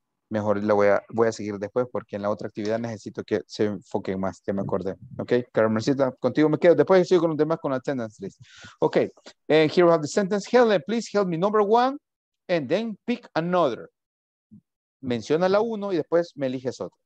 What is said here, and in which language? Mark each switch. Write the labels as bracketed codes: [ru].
[es] Mejor la voy a seguir después porque en la otra actividad necesito que se enfoquen más, ya me acordé. Ok, Carmencita, contigo me quedo. Después sigo con los demás con la [en] attendance list. Ok, and here we have the sentence. Helen, please help me number one and then pick another. [es] Menciona la uno y después me eliges otra.